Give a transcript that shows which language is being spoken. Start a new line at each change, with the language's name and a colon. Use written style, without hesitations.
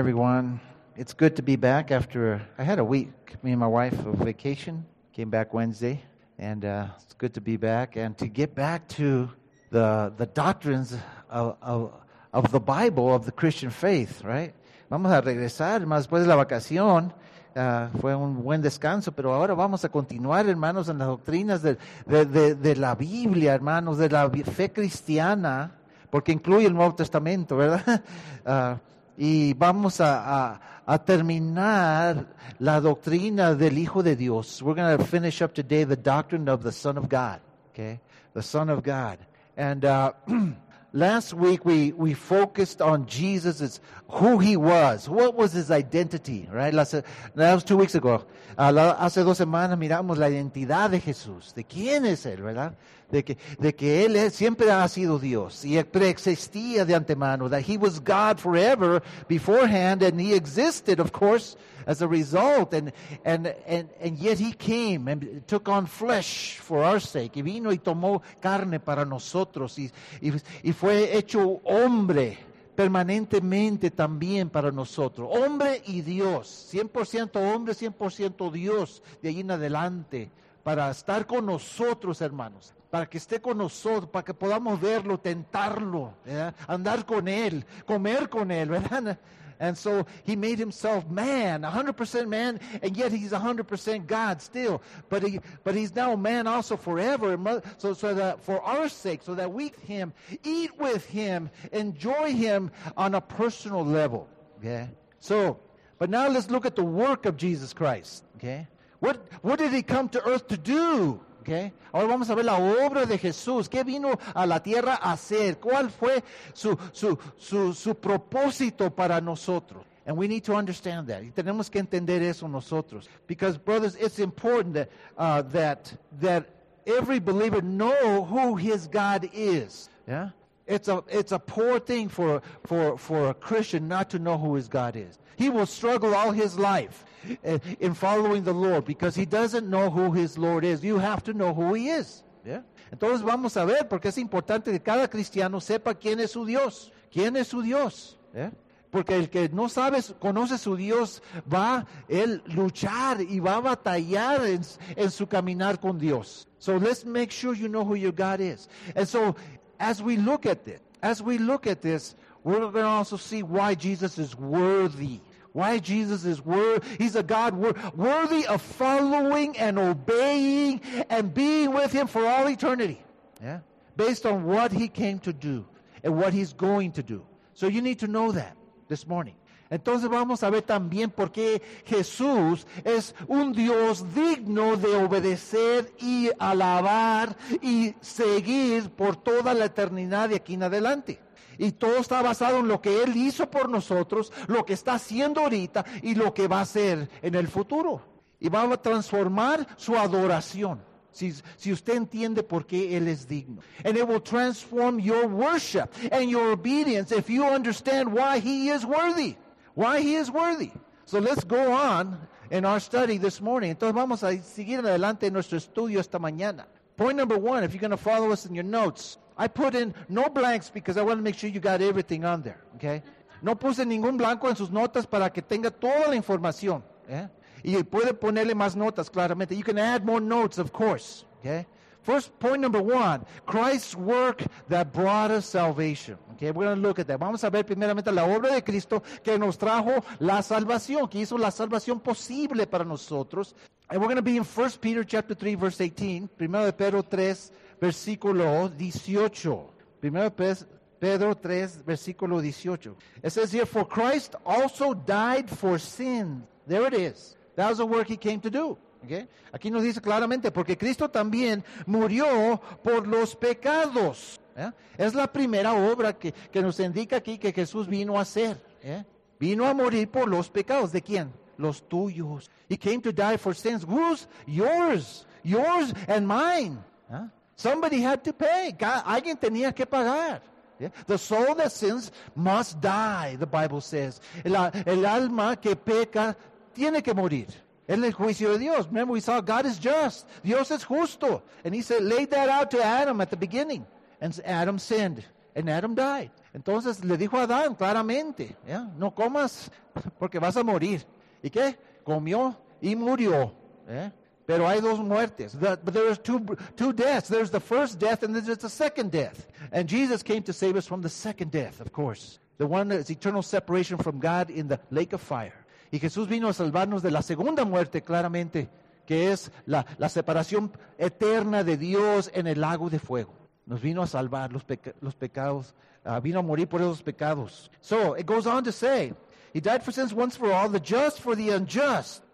English: Everyone, it's good to be back after I had a week, me and my wife, of vacation. Came back Wednesday, and it's good to be back and to get back to the doctrines of the Bible, of the Christian faith, right?
Spanish: Vamos a regresar, hermanos, después de la vacación. Fue un buen descanso, pero ahora vamos a continuar, hermanos, en las doctrinas de la Biblia, hermanos, de la fe cristiana, porque incluye el Nuevo Testamento, ¿verdad? Y vamos a terminar la doctrina del Hijo de Dios.
English: We're going to finish up today the doctrine of the Son of God. Okay, the Son of God. And last week we focused on Jesus' who he was. What was his identity, right? That was 2 weeks ago.
Spanish: Hace dos semanas miramos la identidad de Jesús. De quién es él, ¿verdad? De que él siempre ha sido Dios y preexistía de antemano. That he was God forever beforehand, and he existed, of course, as a result. And yet he came and took on flesh for our sake. Y vino y tomó carne para nosotros. Y fue hecho hombre permanentemente también para nosotros. Hombre y Dios. 100% hombre, 100% Dios. De ahí en adelante. Para estar con nosotros, hermanos. Para que esté con nosotros, para que podamos verlo, tentarlo, ¿verdad? Andar con él, comer con él, ¿verdad?
English: And so he made himself man, 100% man, and yet he's 100% God still. But he's now man also forever, so that for our sake, so that we him, eat with him, enjoy him on a personal level. Okay. So, but now let's look at the work of Jesus Christ. Okay. What did he come to earth to do? Okay.
Spanish: Ahora vamos a ver la obra de Jesús. ¿Qué vino a la tierra a hacer? ¿Cuál fue su propósito para nosotros?
English: And we need to understand that.
Spanish: Y tenemos que entender eso nosotros.
English: Because, brothers, it's important that every believer know who his God is. Yeah? It's a poor thing for a Christian not to know who his God is. He will struggle all his life in following the Lord because he doesn't know who his Lord is. You have to know who he is. Yeah?
Spanish: Entonces vamos a ver porque es importante que cada cristiano sepa quién es su Dios. ¿Quién es su Dios? Yeah? Porque el que no sabe, conoce su Dios, va él luchar y va a batallar en su caminar con Dios.
English: So let's make sure you know who your God is. And so as we look at this, we're going to also see why Jesus is worthy. Why Jesus is worthy. He's a God worthy of following and obeying and being with him for all eternity. Yeah, based on what he came to do and what he's going to do. So you need to know that this morning.
Spanish: Entonces vamos a ver también por qué Jesús es un Dios digno de obedecer y alabar y seguir por toda la eternidad de aquí en adelante. Y todo está basado en lo que Él hizo por nosotros, lo que está haciendo ahorita y lo que va a hacer en el futuro. Y va a transformar su adoración, si usted entiende por qué Él es digno.
English: And it will transform your worship and your obedience if you understand why He is worthy. Why He is worthy. So let's go on in our study this morning.
Spanish: Entonces vamos a seguir adelante en nuestro estudio esta mañana.
English: Point number one, if you're going to follow us in your notes, I put in no blanks because I want to make sure you got everything on there, okay?
Spanish: No puse ningún blanco en sus notas para que tenga toda la información, ¿eh? Y puede ponerle más notas, claramente.
English: You can add more notes, of course, okay? First, point number one, Christ's work that brought us salvation. Okay, we're going to look at that.
Spanish: Vamos a ver primeramente la obra de Cristo que nos trajo la salvación, que hizo la salvación posible para nosotros.
English: And we're going to be in 1 Peter chapter 3, verse 18.
Spanish: Primero de Pedro 3, versículo 18. Primero de Pedro 3, versículo 18.
English: It says here, for Christ also died for sin. There it is. That was the work he came to do. Okay.
Spanish: Aquí nos dice claramente, porque Cristo también murió por los pecados. ¿Eh? Es la primera obra que nos indica aquí que Jesús vino a hacer. ¿Eh? Vino a morir por los pecados. ¿De quién? Los tuyos.
English: He came to die for sins. Whose? Yours. Yours and mine. ¿Eh? Somebody had to pay.
Spanish: Alguien tenía que pagar.
English: ¿Eh? The soul that sins must die, the Bible says.
Spanish: El alma que peca tiene que morir. En el juicio de Dios.
English: Remember, we saw God is just.
Spanish: Dios es justo.
English: And he said, laid that out to Adam at the beginning. And Adam sinned. And Adam died.
Spanish: Entonces le dijo a Adán claramente, yeah, no comas porque vas a morir. ¿Y qué? Comió y murió. Yeah. Pero hay dos muertes.
English: But there are two deaths. There's the first death and there's the second death. And Jesus came to save us from the second death, of course. The one that is eternal separation from God in the lake of fire.
Spanish: Y Jesús vino a salvarnos de la segunda muerte, claramente, que es la separación eterna de Dios en el lago de fuego. Nos vino a salvar los pecados. Vino a morir por esos pecados.
English: So, it goes on to say, He died for sins once for all, the just for the unjust.